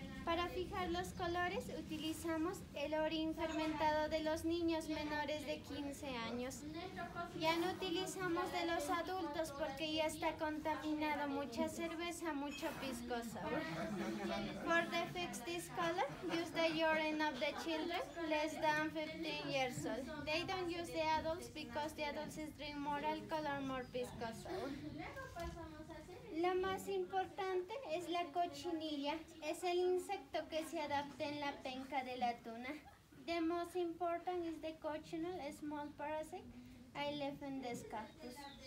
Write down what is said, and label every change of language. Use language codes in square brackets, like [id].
[es] Para fijar los colores utilizamos el orín fermentado de los niños menores de 15 años. Ya no utilizamos de los adultos porque ya está contaminado, mucha cerveza, mucho pisco sour. [en] For the fix this color, use the urine of the children less than 15 years old. They don't use the adults because the adults drink more alcohol or more pisco sour. [es] Lo más importante es la cochinilla, es el insecto que se adapta en la penca de la tuna. [en] The most important is the cochineal, a small parasite, I left in the scarpus.